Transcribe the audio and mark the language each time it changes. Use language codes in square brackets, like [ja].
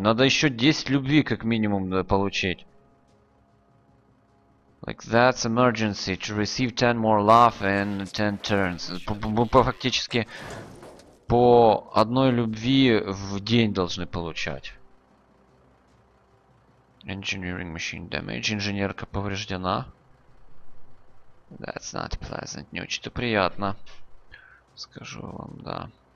[ru] Надо еще 10 любви как минимум получить. [en] Like that's emergency to receive 10 more love in 10 turns. [ru] Фактически по одной любви в день должны получать. [en] Engineering machine damage. [ru] Инженерка повреждена. [en] That's not pleasant. [ru] Не очень-то приятно. Скажу вам, да.